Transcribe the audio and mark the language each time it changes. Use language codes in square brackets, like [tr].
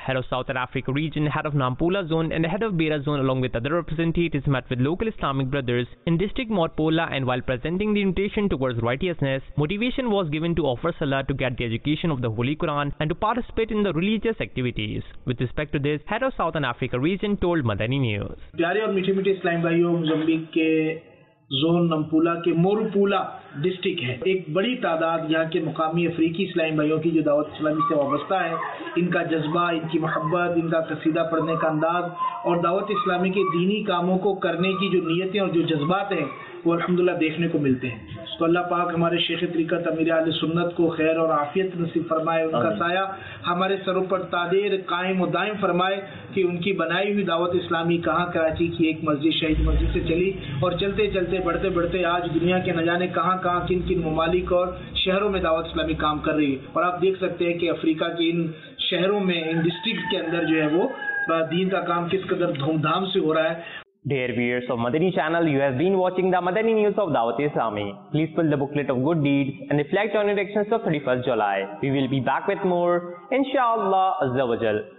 [en] Head of Southern Africa region, head of Nampula zone and the head of Beira zone along with other representatives met with local Islamic brothers in district Morpola, and while presenting the invitation towards righteousness, motivation was given to offer Salah to get the education of the Holy Quran and to participate in the religious activities. With respect to this, head of Southern Africa region told Madani News. [ur] Pyare aur meethe meethe Islam bhaiyo, Mozambique ke zone نمپولا کے مورپولا district ہے ایک بڑی تعداد یہاں کے مقامی افریقی اسلامی بھائیوں کی جو دعوت اسلامی سے وابستہ ہے ان کا جذبہ ان کی محبت ان کا قصیدہ پڑھنے کا انداز اور دعوت اسلامی کے دینی کاموں کو کرنے کی جو نیتیں اور جو جذبات ہیں وہ الحمدللہ دیکھنے کو ملتے ہیں تو اللہ پاک ہمارے شیخ طریقت امیر اہل سنت کو خیر اور عافیت نصیب فرمائے ان کا سایہ ہمارے سروں پر تادیر قائم و دائم فرمائے کہ ان کی بنائی ہوئی دعوت اسلامی کہاں کراچی کی ایک مسجد شہید مسجد سے چلی اور چلتے چلتے بڑھتے بڑھتے آج دنیا کے نہ جانے کہاں کہاں کن کن ممالک اور شہروں میں دعوت اسلامی کام کر رہی ہے اور آپ دیکھ سکتے ہیں کہ افریقہ کے ان شہروں میں ان ڈسٹرکٹ کے اندر جو ہے وہ دین کا کام کس قدر دھوم دھام سے ہو رہا ہے. [en] Dear viewers of Madani Channel, you have been watching the Madani News of Dawat-e-Islami. Please fill the booklet of good deeds and reflect on your actions of 31st July. We will be back with more, Inshallah Azza wa Jal.